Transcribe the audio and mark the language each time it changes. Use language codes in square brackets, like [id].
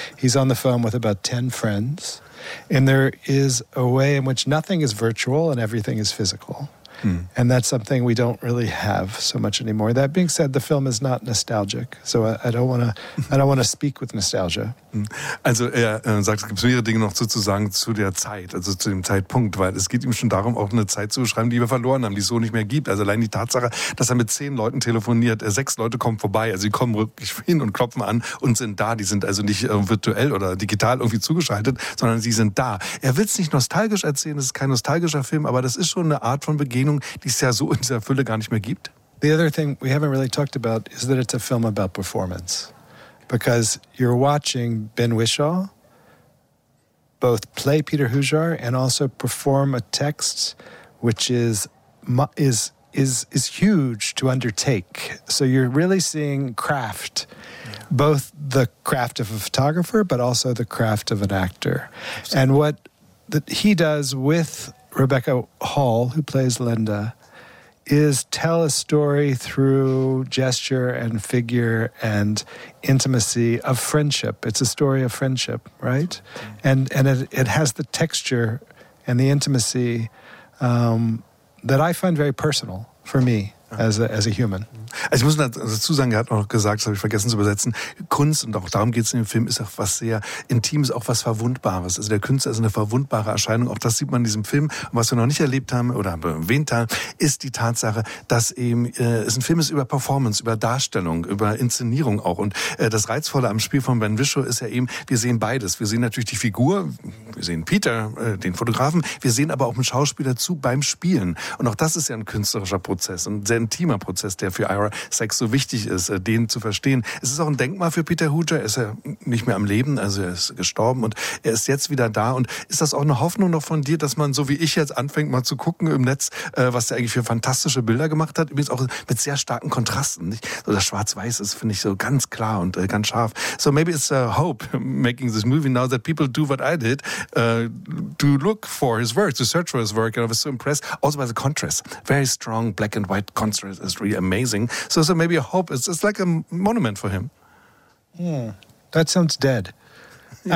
[en] He's on the phone with about 10 friends. And there is a way in which nothing is virtual and everything is physical. And that's something we don't really have so much anymore. That being said, the film is not nostalgic, so I don't want to speak with nostalgia. [de] Also er sagt, es gibt mehrere Dinge noch sozusagen zu der Zeit, also zu dem Zeitpunkt, weil es geht ihm schon darum, auch eine Zeit zu beschreiben, die wir verloren haben, die es so nicht mehr gibt. Also allein die Tatsache, dass er mit 10 Leuten telefoniert, 6 Leute kommen vorbei, also sie kommen wirklich hin und klopfen an und sind da. Die sind also nicht virtuell oder digital irgendwie zugeschaltet, sondern sie sind da. Er will es nicht nostalgisch erzählen, es ist kein nostalgischer Film, aber das ist schon eine Art von Begegnung, die es ja so in dieser Fülle gar nicht mehr gibt. [en] The other thing we haven't really talked about is that it's a film about performance. Because you're watching Ben Whishaw both play Peter Hujar and also perform a text which is huge to undertake. So you're really seeing craft, both the craft of a photographer, but also the craft of an actor. Absolutely. And what that he does with Rebecca Hall, who plays Linda, is tell a story through gesture and figure and intimacy of friendship. It's a story of friendship, right? And it has the texture and the intimacy that I find very personal for me as a human. [de] Also ich muss dazu sagen, er hat auch gesagt, das habe ich vergessen zu übersetzen, Kunst, und auch darum geht es in dem Film, ist auch was sehr Intimes, auch was Verwundbares. Also der Künstler ist eine verwundbare Erscheinung. Auch das sieht man in diesem Film. Und was wir noch nicht erlebt haben oder erwähnt haben, ist die Tatsache, dass eben es ein Film ist über Performance, über Darstellung, über Inszenierung auch. Und das Reizvolle am Spiel von Ben Whishaw ist ja eben, wir sehen beides. Wir sehen natürlich die Figur, wir sehen Peter, den Fotografen, wir sehen aber auch einen Schauspieler zu beim Spielen. Und auch das ist ja ein künstlerischer Prozess, ein sehr intimer Prozess, der für Sex so wichtig ist, den zu verstehen. Es ist auch ein Denkmal für Peter Hujar, er ist ja nicht mehr am Leben, also er ist gestorben und er ist jetzt wieder da. Und ist das auch eine Hoffnung noch von dir, dass man so wie ich jetzt anfängt mal zu gucken im Netz, was der eigentlich für fantastische Bilder gemacht hat, übrigens auch mit sehr starken Kontrasten. Nicht? So das Schwarz-Weiß ist, finde ich, so ganz klar und ganz scharf. [en] So maybe it's a hope making this movie now that people do what I did, to look for his work, to search for his work, and I was so impressed. Also by the contrast, very strong black and white contrast is really amazing. So maybe a hope. It's like a monument for him. Yeah, that sounds dead. Yeah.